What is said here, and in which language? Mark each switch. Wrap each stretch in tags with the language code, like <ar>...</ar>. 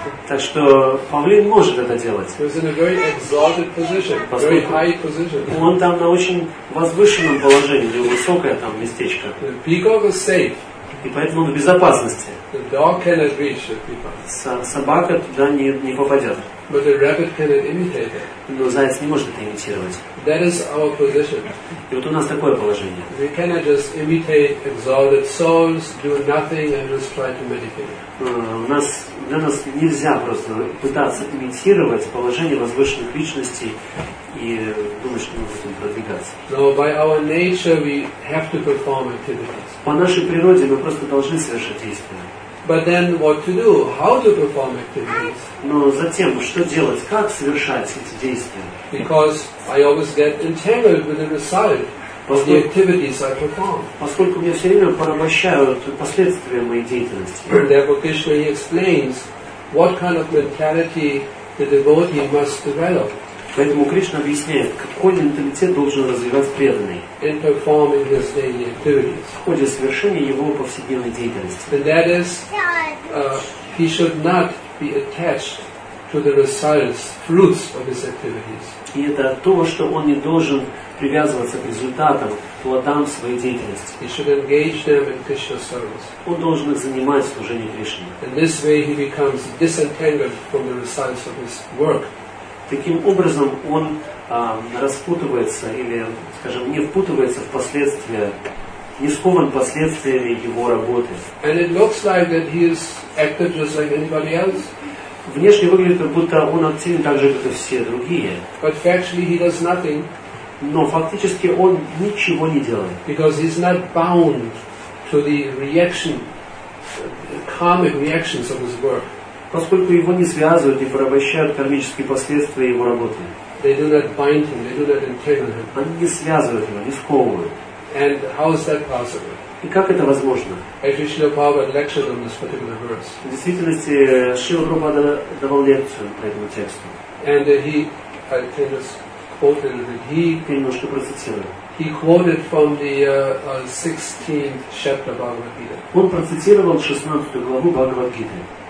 <ru>Так что павлин может это делать.</ru> <en>He was in a very exalted position, very high position.</en> <ru>Он там на очень возвышенном положении, у высокое там местечко.</ru> <en>The peacock was safe.</en> <ru>и поэтому он в безопасности.</ru> <en>The dog cannot reach the</en> <ru>people. Собака туда не попадет.</ru> <en>But the rabbit cannot imitate it.</en> <ru>Но заяц не может это имитировать.</ru> <en>That is our position.</en> <ru>И вот у нас такое положение.</ru> <en>We cannot just imitate exalted souls, do nothing and just try to meditate.</en> <ru>Для нас нельзя просто пытаться имитировать положение возвышенных личностей и думать, что мы будем продвигаться.</ru> <en>No, by our nature we have to perform activities.</en> <ru>По нашей природе мы просто должны совершать действия.</ru> <en>But then what to do? How to perform activities?</en> <ru>Но затем, что делать? Как совершать эти действия?</ru> <en>Because I always get entangled with the result. The activities I perform.</en> <ru>Поскольку я все время порабощаю последствия моей деятельности.</ru> <en>Therefore, Krishna explains what kind of mentality the devotee must develop.</en> <ru>Поэтому Кришна объясняет, какой менталитет должен развивать преданный.</ru> <en>In performing his daily activities.</en> <ru>В ходе совершения его повседневной деятельности.</ru> <en>And that is, he should not be attached to the results, fruits of his activities.</en> <ru>И это то, что он не должен привязываться к результатам, плодам своей деятельности.</ru> <en>He should engage them in Krishna's service.</en> <ru>Он должен их занимать в служении Кришне.</ru> <en>In this way he becomes disentangled from the results of his work.</en> <ru>Таким образом он распутывается или, скажем, не впутывается в последствия, не скован последствиями его работы.</ru> <en>And it looks like that he is active just like anybody else.</en> <ru>Внешне выглядит, как будто он активен так же, как и все другие.</ru> <en>But factually he does nothing.</en> <ru>Но фактически он ничего не делает.</ru> <en>Because he's not bound to the reaction, karmic reactions of his work.</en> <ru>Поскольку его не связывают и порабощают кармические последствия его работы.</ru> <en>They do not bind him, they do not entangle him.</en> <ru>Они не связывают его, не сковывают.</ru> <en>And how is that possible?</en> <ru>И как это возможно?</ru> <en>Krishna Prabhupada lectured on this particular verse.</en> <ru>В действительности, Шрила Прабхупада давал лекцию по этому тексту.</ru> <en>And he, I can just quote a little bit.</en> <ru>Я немножко процитирую.</ru> <en>He quoted from the 16th chapter of Bhagavad Gita.</en> <ru>Он процитировал 16 главу Бхагавад Гиты.</ru>